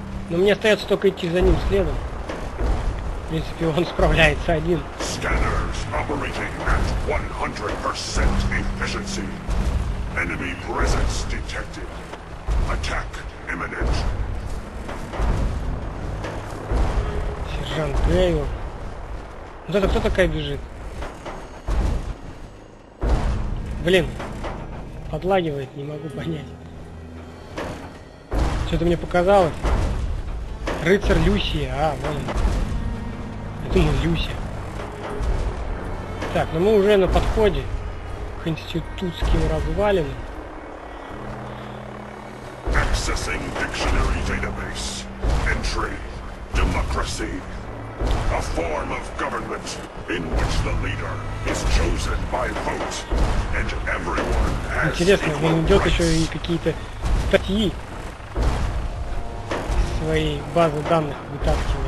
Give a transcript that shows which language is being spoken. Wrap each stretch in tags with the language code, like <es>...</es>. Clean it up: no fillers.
<ru>Но мне остается только идти за ним следом. В принципе, он справляется один.</ru> <en>Scanners operating at 100% efficiency. Enemy presence detected. Attack imminent.</en> <ru>Сержант Грейвор. Вот это кто такая бежит? Блин. Подлагивает, не могу понять. Что-то мне показалось. Рыцарь Люси, вон. Я думал, Люси. Так, ну мы уже на подходе к институтским развалинам.</ru> <en>Accessing dictionary database. Entry. Democracy. A form of government in which the leader is chosen by vote. And everyone has.</en> <ru>Интересно, он идет еще и какие-то статьи. Своей базы данных вытаскивает.</ru>